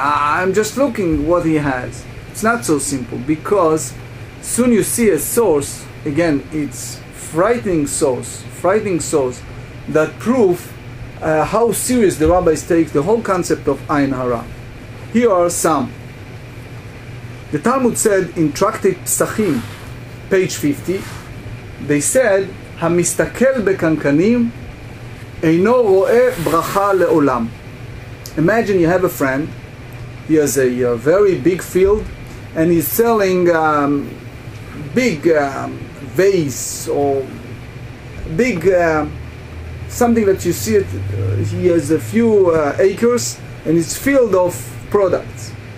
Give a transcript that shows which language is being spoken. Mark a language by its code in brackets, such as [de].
[en] I'm just looking what he has. It's not so simple, because soon you see a source, again, it's frightening source, that proof how serious the rabbis take the whole concept of Ayin Hara. Here are some. The Talmud said in Tractate Psachim, page 50, they said, [he] המסתכל בקנקנים אינו רואה ברכה לעולם. [en] Imagine you have a friend, he has a very big field, and he's selling big vase or big something that you see it. He has a few acres and it's filled of products.